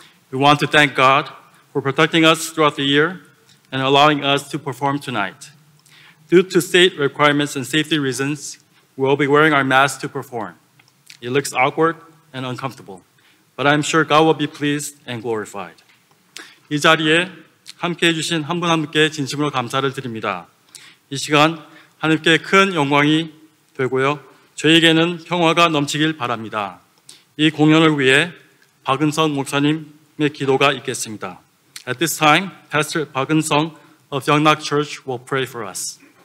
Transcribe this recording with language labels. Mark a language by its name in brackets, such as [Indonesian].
[English] We want to thank God for protecting us throughout the year and allowing us to perform tonight. Due to state requirements and safety reasons, we will be wearing our masks to perform. It looks awkward and uncomfortable, but I'm sure God will be pleased and glorified. [Korean] 이 자리에 함께해 주신 한 분 한 분께 진심으로 감사를 드립니다. 이 시간 하나님께 큰 영광이 되고요. 저희에게는 평화가 넘치길 바랍니다. 이 공연을 위해 박은성 목사님의 기도가 있겠습니다. [English] At this time, Pastor 박은성 of Yeongnak Church will pray for us.